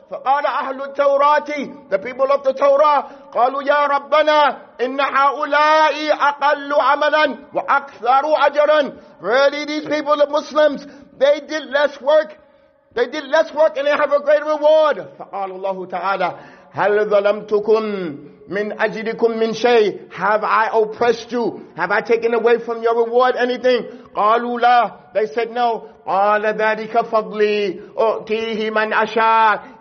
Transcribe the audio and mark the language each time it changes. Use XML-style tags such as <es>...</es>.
<ar>فقال أهل التوراة,</ar> <en>the people of the Torah,</en> <ar>قالوا يا ربنا إن هؤلاء أقل عملا وأكثر أجرا.</ar> <en>Really, these people, the Muslims, they did less work. They did less work and they have a great reward.</en> <ar>فقال الله تعالى هل ظلمتكم من أجلكم من شيء.</ar> <en>Have I oppressed you? Have I taken away from your reward anything?</en> <ar>قالوا لا.</ar> <en>They said no.</en> <ar>قال ذلك فضلي أعطيه من أشاء.</ar>